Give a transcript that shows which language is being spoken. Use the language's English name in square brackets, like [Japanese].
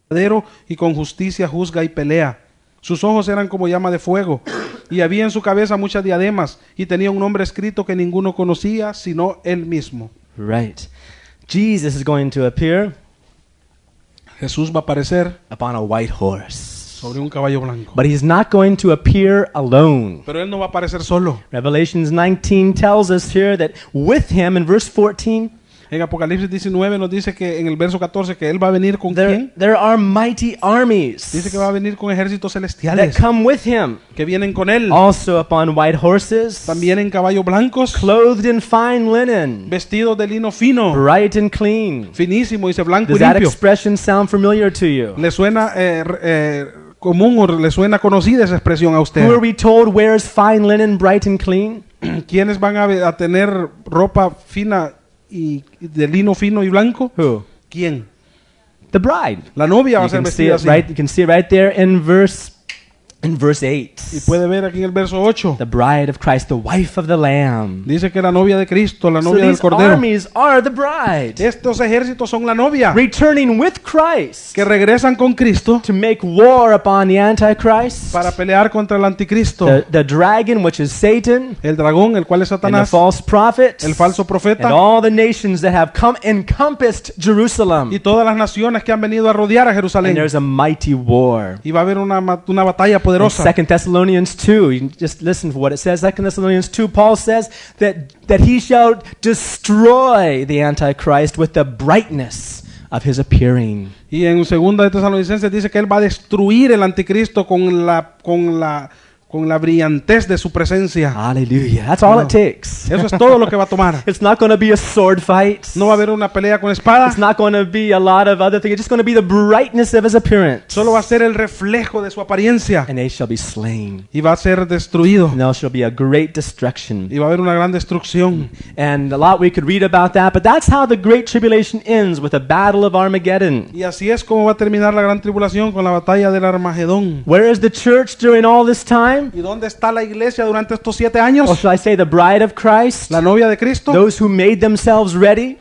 [Spanish] verdadero y con justicia juzga y pelea. Sus ojos eran como llama de fuego, y había en su cabeza muchas diademas, y tenía un nombre escrito que ninguno conocía sino él mismo. [English] Right. Jesus is going to appear. [Spanish] Jesús va a aparecer [English] upon a white horse. [Spanish] Sobre un caballo blanco. [English] But he's not going to appear alone. [Spanish] Pero él no va a aparecer solo. [English] Revelation 19 tells us here that with him in verse 14. [Spanish] En Apocalipsis 19 nos dice que en el verso 14 que él va a venir con quién? [English] There are mighty armies. [Spanish] Dice que va a venir con ejércitos celestiales. [English] That come with him. [Spanish] Que vienen con él. [English] Also upon white horses. [Spanish] También en caballos blancos. [English] Clothed in fine linen. [Spanish] Vestidos de lino fino. [English] Bright and clean. [Spanish] Finísimo, dice blanco y limpio. [English] Does that expression sound familiar to you? [Spanish] ¿Le suena común o le suena conocida esa expresión a usted? [English] Who are we told wears fine linen, bright and clean? [Spanish] ¿Quiénes van a tener ropa fina y de lino fino y blanco? [English] Who? [Spanish] ¿Quién? [English] The bride. [Spanish] La novia va a ser vestida así. [English] Right, you can see it right there in verse 8. [Spanish] Y puede ver aquí en el verso 8. [English] The bride of Christ, the wife of the Lamb. [Spanish] Dice que la novia de Cristo, la novia [English] so [Spanish] del Cordero. [English] These armies are the bride. [Spanish] Estos ejércitos son la novia. [English] Returning with Christ. [Spanish] Que regresan con Cristo. [English] To make war upon the Antichrist. [Spanish] Para pelear contra el anticristo. [English] The dragon, which is Satan. [Spanish] El dragón, el cual es Satanás. [English] And the false prophet. [Spanish] El falso profeta. [English] And all the nations that have come encompassed Jerusalem. [Spanish] Y todas las naciones que han venido a rodear a Jerusalén. [English] And there's a mighty war. [Spanish] Y va a haber una batalla. [English] In 2 Thessalonians 2, you just listen for what it says. 2 Thessalonians 2, Paul says that he shall destroy the Antichrist with the brightness of his appearing. [Spanish] Y en 2 Tesalonicenses dice que él va a destruir el anticristo con la brillantez de su presencia. [English] Hallelujah. That's all it takes. [Spanish] Eso es todo lo que va a tomar. [English] It's not going to be a sword fight. [Spanish] No va a haber una pelea con espada. [English] It's not going to be a lot of other things. It's just going to be the brightness of his appearance. [Spanish] Solo va a ser el reflejo de su apariencia. [English] And they shall be slain. [Spanish] Y va a ser destruido. [English] And there shall be a great destruction. [Spanish] Y va a haber una gran destrucción. [English] And a lot we could read about that, but that's how the great tribulation ends, with a battle of Armageddon. [Spanish] Y así es como va a terminar la gran tribulación, con la batalla del Armagedón. [English] Where is the church during all this time? [Spanish] ¿Y dónde está la iglesia durante estos 7 años? [English] Or should I say the bride of Christ? [Spanish] La novia de Cristo. [English] Those who made themselves ready.